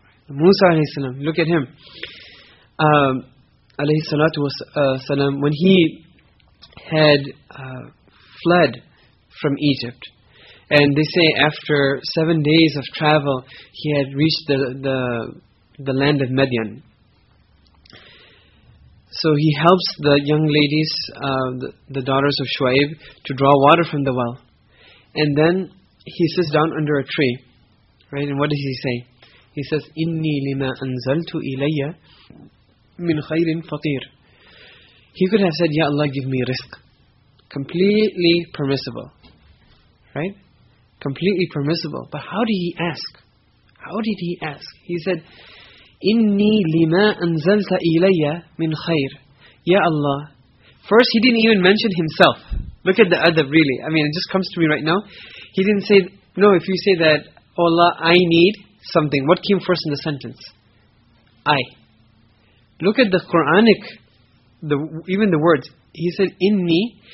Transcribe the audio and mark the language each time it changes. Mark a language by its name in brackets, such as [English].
[English] Musa alayhi salam, look at him. Alayhi salatu wasalam, when he had fled from Egypt, and they say after 7 days of travel, he had reached the land of Midian. So he helps the young ladies, the daughters of Shuaib, to draw water from the well. And then he sits down under a tree. Right? And what does he say? He says, [Arabic] إِنِّي لِمَا أَنزَلْتُ إِلَيَّ مِنْ خَيْرٍ فَطِيرٍ. [English] He could have said, Ya Allah, give me rizq. Completely permissible. Right? Completely permissible. But how did he ask? How did he ask? He said, [Arabic] إِنِّي لِمَا أَنزَلْتَ إِلَيَّ مِنْ خَيْرٍ. [English] Ya Allah. First, he didn't even mention himself. Look at the adab, really. I mean, it just comes to me right now. He didn't say, no, if you say that, oh Allah, I need something. What came first in the sentence? I. Look at the Quranic, even the words. He said, إِنِّي.